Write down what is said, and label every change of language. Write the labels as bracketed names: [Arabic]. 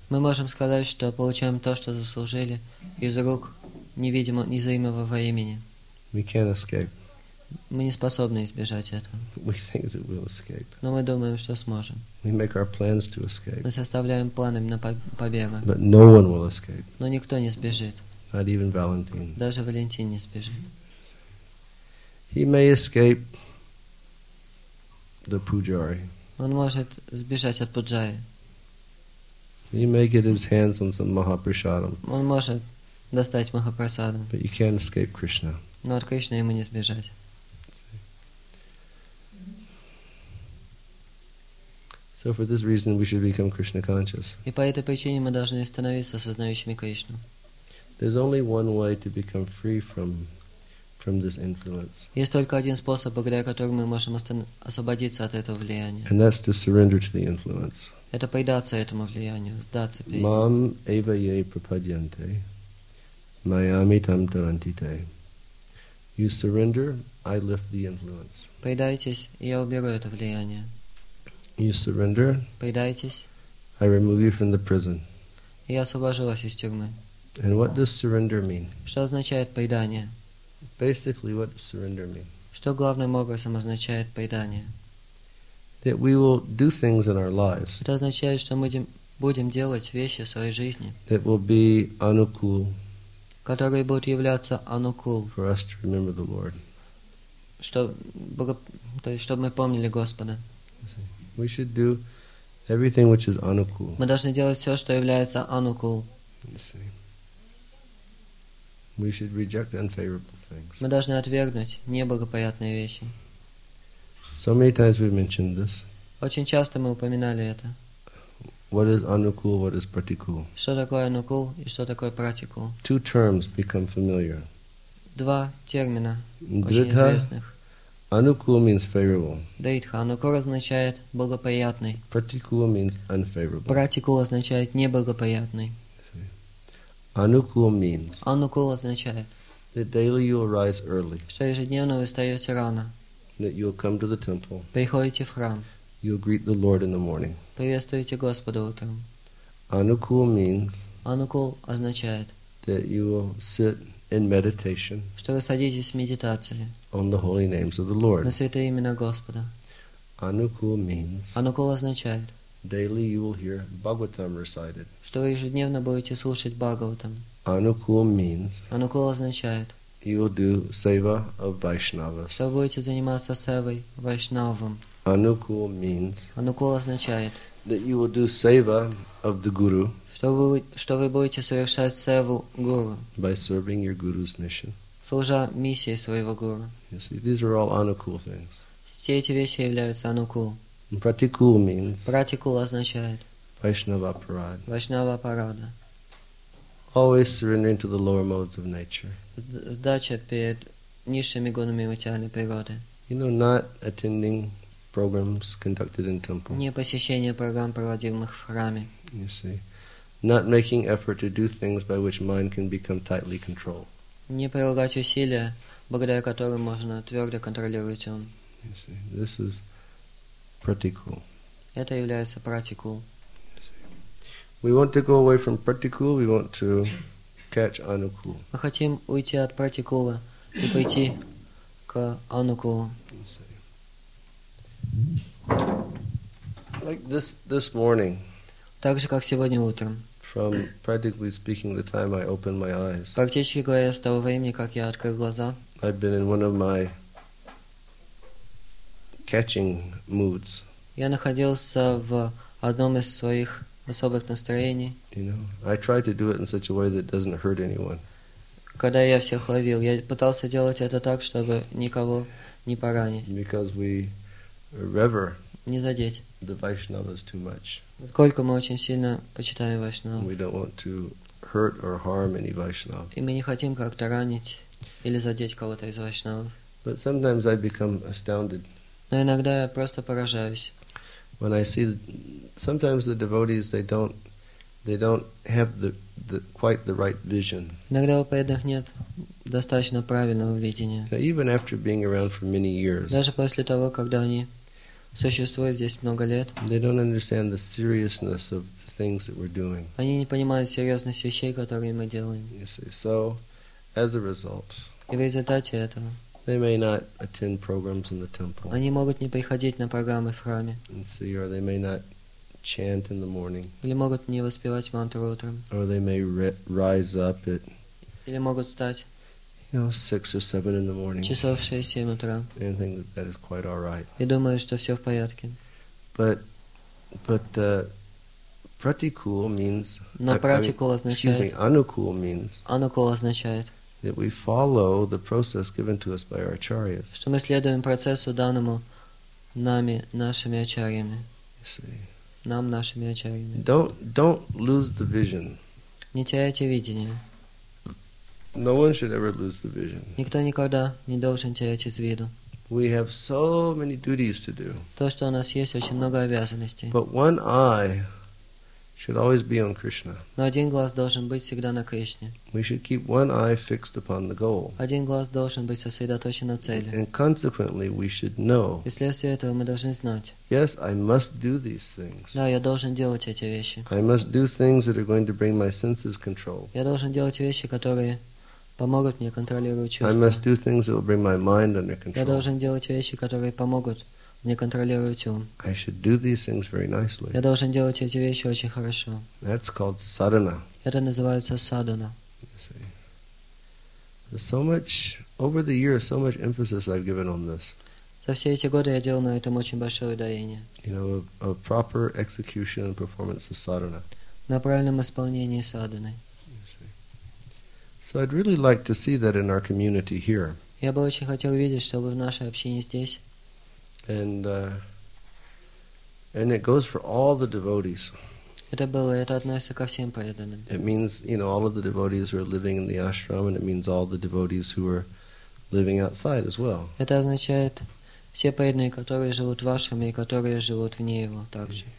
[Russian] Мы можем сказать, что получаем то, что заслужили, из рук невидимого, незримого времени. [English] We can't escape. [Russian] Мы не способны избежать этого. [English] We think that we'll escape. [Russian] Но мы думаем, что сможем. [English] We make our plans to escape. [Russian] Мы составляем планы на побег. [English] But no one will escape. [Russian] Но никто не сбежит. [English] Not even Valentin. [Russian] Даже Валентин не сбежит. [English] He may escape the pujari. [Russian] Он может сбежать от пуджаи. [English] He may get his hands on some Mahaprasadam. [Russian] Он может достать Махапрасадам. [English] But you can't escape Krishna. [Russian] Но от Кришны ему не сбежать. [English] So for this reason we should become Krishna conscious. [Russian] И по этой причине мы должны становиться сознающими Кришну. [English] There's only one way to become free from this influence. [Russian] Есть только один способ, благодаря которому мы можем освободиться от этого влияния. [English] And that's to surrender to the influence. [Russian] Это предаться этому влиянию, сдаться перед. [Sanskrit] Мам эва йе пропадьянте, майами там тарантите. [English] You surrender, I lift the influence. [Russian] Предайтесь, и я уберу это влияние. [English] You surrender, [Russian] предайтесь, [English] I remove you from the prison. [Russian] Я освобожу вас из тюрьмы. [English] And what does surrender mean? [Russian] Что означает предание? [English] Basically, what does surrender mean? [Russian] Что главным образом означает предание? [English] That we will do things in our lives. [Russian] Это означает, что мы будем делать вещи в своей жизни. [English] That will be anukul. [Russian] Которые будут являться анукул. [English] For us to remember the Lord. [Russian] Чтобы мы помнили Господа. [English] We should do everything which is anukul. [Russian] Мы должны делать все, что является анукул. [English] We should reject unfavorable things. [Russian] Мы должны отвергнуть неблагоприятные вещи. [English] So many times we've mentioned this. [Russian] Очень часто мы упоминали это. [English] What is anukul, what is pratikul? [Russian] Что такое анукул и что такое пратикул? [English] Two terms become familiar. [Russian] Два термина очень известных. [English] Anukul means favorable. [Russian] Дритха, анукул означает благоприятный. [English] Pratikul means unfavorable. [Russian] Пратикул означает неблагоприятный. [English] Anukul means. [Russian] Анукул означает. [English] That daily you arise early. [Russian] Что ежедневно вы встаете рано. [English] That you'll come to the temple. [Russian] Приходите в храм. [English] You'll greet the Lord in the morning. [Russian] Приветствуйте Господа утром. [English] Anukul means. [Russian] Anukul означает. [English] That you will sit in meditation. [Russian] Что вы садитесь в медитации. [English] On the holy names of the Lord. [Russian] На святые имена Господа. [English] Anukul means. [Russian] Anukul означает. [English] Daily you will hear Bhagavatam recited. [Russian] Что вы ежедневно будете слушать Бхагаватам. [English] Anukul means. [Russian] Anukul означает. [English] You will do seva of Vaishnavas. [Russian] Что вы будете заниматься севой Вайшнавам. [English] Anukul means. [Russian] Anukul означает. [English] that you will do seva of the guru. [Russian] Что вы будете совершать севу гуру? [English] By serving your guru's mission. [Russian] Служа миссии своего гуру. [English] You see, these are all anukul things. [Russian] Все эти вещи являются анукул. [English] Pratikul means. [Russian] Pratikul означает. [Sanskrit] Vaishnava parada. Vaishnava parada. [English] Always surrendering to the lower modes of nature. [Russian] Сдача перед низшими гунами материальной природы. [English] You know, not attending programs conducted in temple. [Russian] Не посещение программ, проводимых в храме. [English] You see, not making effort to do things by which mind can become tightly controlled. [Russian] Не прилагать усилия, благодаря которым можно твердо контролировать ум. [English] You see, this is pratikul. [Russian] Это является pratikul. [English] We want to go away from pratikul. We want to catch anukul. [Russian] Мы хотим уйти от pratikula и пойти к anukulу. [English] Like this morning. [Russian] Так же, как сегодня утром. [English] From practically speaking, the time I opened my eyes. [Russian] Практически говоря, с того времени, как я открыл глаза. [English] I've been in one of my catching moods. [Russian] Я находился в одном из своих особых настроений. [English] You know, I try to do it in such a way that doesn't hurt anyone. [Russian] Когда я всех ловил, я пытался делать это так, чтобы никого не поранить. [English] Because we rever. [Russian] Не задеть. [English] The Vaishnavas too much. [Russian] Сколько мы очень сильно почитаем Вайшнава. [English] We don't want to hurt or harm any Vaishnav. [Russian] И мы не хотим как-то ранить или задеть кого-то из Вайшнавов. [English] But sometimes I become astounded. [Russian] Но иногда я просто поражаюсь. [English] When I see that sometimes the devotees they don't have the quite the right vision. [Russian] Иногда у преданных нет достаточно правильного видения. [English] Now, even after being around for many years. [Russian] Даже после того, когда они существует здесь много лет. [English] They don't understand the seriousness of the things that we're doing. [Russian] Они не понимают серьезность вещей, которые мы делаем. [English] You see, so as a result. [Russian] И в результате этого. [English] They may not attend programs in the temple. [Russian] Они могут не приходить на программы в храме. [English] And see, or they may not chant in the morning. [Russian] Или могут не воспевать мантру утром. [English] Or they may rise up at. [Russian] Или могут встать. [English] You know, 6 or 7 in the morning. [Russian] Часов 6-7 утра. [English] And think that that is quite all right. [Russian] И думаю, что все в порядке. [English] But pratikul means. [Russian] Но pratikul означает. [English] Excuse me, anukul means. [Russian] Anukul означает. [English] That we follow the process given to us by our acharyas. [Russian] Что мы следуем процессу данному нами нашими ачарьями. Нам нашими ачарьями. [English] Don't lose the vision. [Russian] Не теряйте видение. [English] No one should ever lose the vision. [Russian] Никто никогда не должен терять из виду. [English] We have so many duties to do. [Russian] То, что у нас есть, очень много обязанностей. [English] But one eye should always be on Krishna. [Russian] Но один глаз должен быть всегда на Кришне. [English] We should keep one eye fixed upon the goal. [Russian] Один глаз должен быть сосредоточен на цели. [English] And consequently, we should know. [Russian] И вследствие этого мы должны знать. [English] Yes, I must do these things. [Russian] Да, я должен делать эти вещи. [English] I must do things that are going to bring my senses control. [Russian] Я должен делать вещи, которые помогут мне контролировать чувства. [English] I must do things that will bring my mind under control. [Russian] Я должен делать вещи, которые помогут мне контролировать ум. [English] I should do these things very nicely. [Russian] Я должен делать эти вещи очень хорошо. [English] That's called sadhana. [Russian] Это называется садхана. [English] So much over the years, so much emphasis I've given on this. [Russian] За все эти годы я делал на этом очень большое ударение. [English] You know, a proper execution and performance of sadhana. [Russian] На правильном исполнении садханы. [English] So I'd really like to see that in our community here. [Russian] Я бы очень хотел видеть, чтобы в нашей общине здесь. [English] And it goes for all the devotees. [Russian] Это было, это относится ко всем преданным. [English] It means, you know, all of the devotees who are living in the ashram, and it means all the devotees who are living outside as well. [Russian] Это означает все преданные, которые живут в ашраме и которые живут вне его также.